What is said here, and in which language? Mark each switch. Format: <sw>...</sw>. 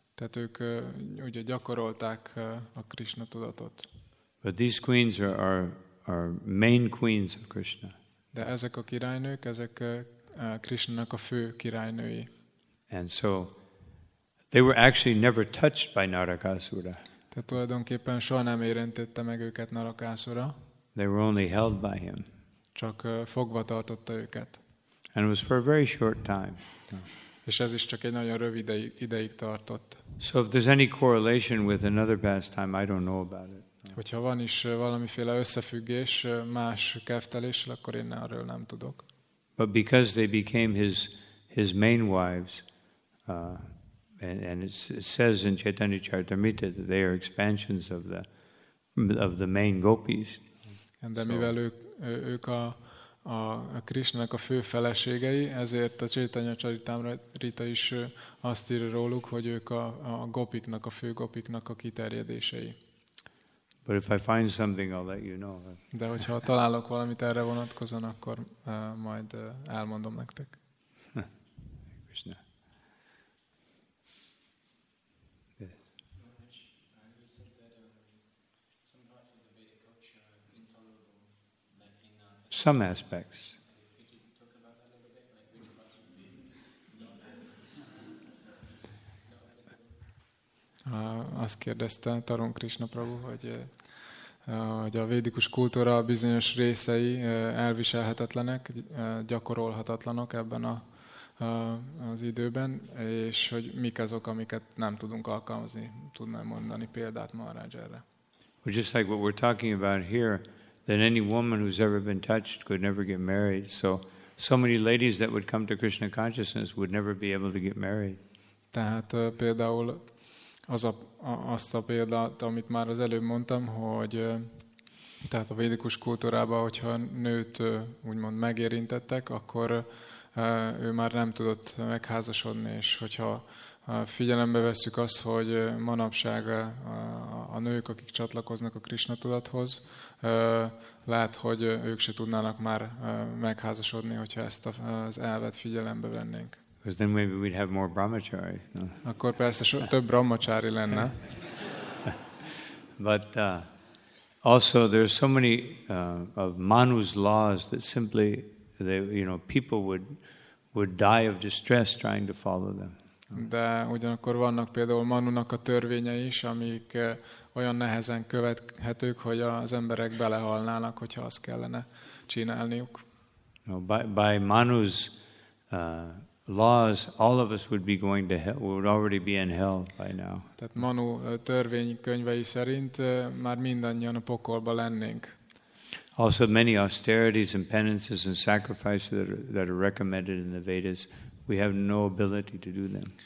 <hu>Tehát ők ugye gyakorolták a Krishna tudatot.</hu> <en>But these queens are main queens of Krishna.</en> <hu>De ezek a királynők, ezek Krishnának a fő királynői.</hu> <en>And so they were actually never touched by Narakasura.</en> <hu>Tehát tulajdonképpen soha nem érintette meg őket Narakasura.</hu> <en>They were only held by him.</en> <hu>Csak fogva tartotta őket.</hu> <en>And it was for a very short time.</en> <hu>És ez is csak egy nagyon rövid ideig tartott.</hu> <en>So if there's any correlation with another pastime, I don't know about it.</en> <hu>Hogyha van is valamiféle összefüggés más kefteléssel, akkor én arról nem tudok.</hu> <en>But because they became his main wives, and it says in Chaitanya Charitamrita that they are expansions of the main gopis.</en> <hu>De mivel ők a Krishnának a fő feleségei, ezért a Chaitanya Charitamrita is azt ír róluk, hogy ők a gopiknak, a fő gopiknak a kiterjedései.</hu> <en>But if I find something, I'll let you know.</en> <hu>De hogyha találok valamit erre vonatkozóan, akkor majd elmondom nektek.</hu> <en>Krishna. Some aspects.</en> <hu>Azt kérdezte Tarun Krishna Prabhu, hogy a védikus kultúra bizonyos részei elviselhetetlenek, gyakorolhatatlanok ebben az időben, és hogy mik azok, amiket nem tudunk alkalmazni. Tudnám mondani példát Maharaj erre.</hu> <en>Well, just like what we're talking about here, that any woman who's ever been touched could never get married. So many ladies that would come to Krishna consciousness would never be able to get married.</en> <hu>Tehát például azt a példát, amit már az előbb mondtam, hogy tehát a védikus kultúrában, hogyha nőt úgymond megérintettek, akkor ő már nem tudott megházasodni, és hogyha figyelembe veszük azt, hogy manapság a nők, akik csatlakoznak a Krishna tudathoz, lehet, hogy ők se tudnának már megházasodni, hogyha ezt az elvet figyelembe vennénk.</hu> <en>Because then maybe we'd have more brahmachari. No?</en> <hu>Akkor persze több brahmachari lenne.</hu> <en>But also there's so many of Manu's laws that simply, people would die of distress trying to follow them.</en> <hu>De ugyanakkor vannak például Manunak a törvényei is, amik olyan nehezen követhetők, hogy az emberek belehalnának, hogyha azt kellene csinálniuk.</hu> <en>No, by Manu's laws, all of us would be going to hell, would already be in hell by now.</en> <hu>Tehát Manu törvénykönyvei szerint már mindannyian a pokolba lennénk.</hu> <en>Also many austerities and penances and sacrifices that are recommended in the Vedas, we have no ability to do them.</en>